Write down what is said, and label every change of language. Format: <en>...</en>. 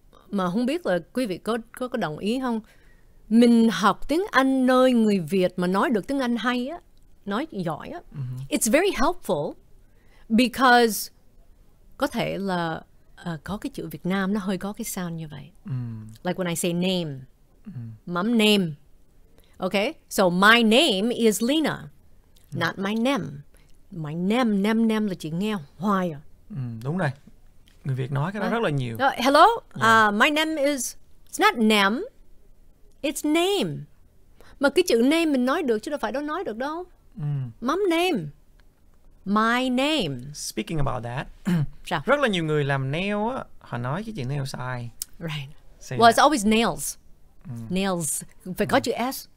<vi>Mà không biết là quý vị có đồng ý không? mình học tiếng Anh nơi người Việt mà nói được tiếng Anh hay á, nói giỏi á,</vi> <en>it's very helpful because</en> <vi>có thể là có cái chữ Việt Nam nó hơi có cái sound như vậy.</vi> <en>Like when I say name, mom name. Okay, so my name is Leyna, not my name. My name, name, name</en> <vi>là chị nghe hoài à. Đúng rồi. Người Việt nói cái đó rất là nhiều.</vi> <en>Hello, yeah. My name is, it's not name, it's name.</en> <vi>Mà cái chữ name mình nói được chứ đâu phải đâu nói được đâu.</vi> <en>Mom name, my name. Speaking about that,</en> <vi>rất là nhiều người làm nail á, họ nói cái chữ nail sai.</vi> <en>Right. Say well, that. It's always nails. Nails,</en> <vi>phải có chữ S.</vi>